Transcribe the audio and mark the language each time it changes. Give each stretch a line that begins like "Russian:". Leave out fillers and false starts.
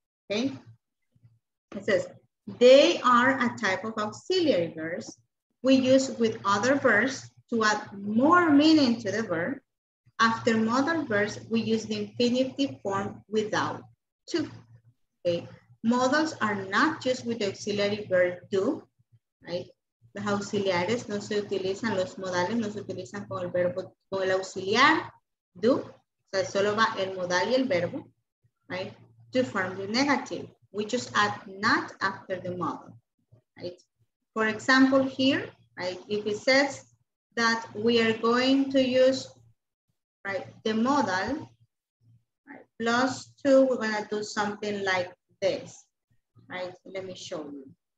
English: Okay, it says, they are a type of auxiliary verbs we use with other verbs to add more meaning to the verb. After modal verbs, we use the infinitive form without to. Okay, modals are not used with the auxiliary verb do, right?
Spanish: Los auxiliares no se utilizan, los modales no se utilizan con el verbo, con el auxiliar do. O sea, solo va el modal y el verbo,
English: right? To form the negative, we just add not after the modal, right? For example, here, right? If it says that we are going to use, right, the modal, right, plus two, we're gonna do something like this, right? Let me show you.